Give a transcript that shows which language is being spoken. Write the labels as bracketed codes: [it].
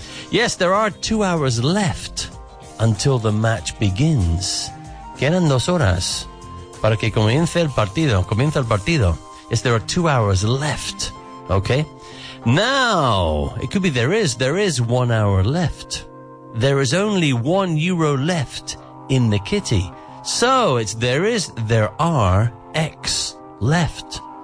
[en] Yes, there are 2 hours left until the match begins. [es] Quedan dos horas para que comience el partido. Comienza el partido. [en] Yes, there are 2 hours left. Okay. Now, it could be there is 1 hour left. There is only 1 euro left in the kitty. So, it's there are X left.